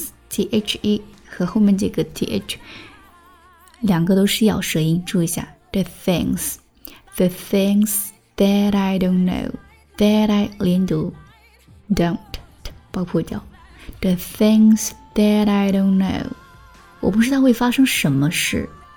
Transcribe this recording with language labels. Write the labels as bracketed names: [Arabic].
[Chinese] T-H-E 和后面这个 T-H 两个都是咬舌音，注意一下。 [English] The things that I don't know. [Chinese] That I 连读 Don't 爆破掉。 [English] The things that I don't know. [Chinese] 我不知道会发生什么事。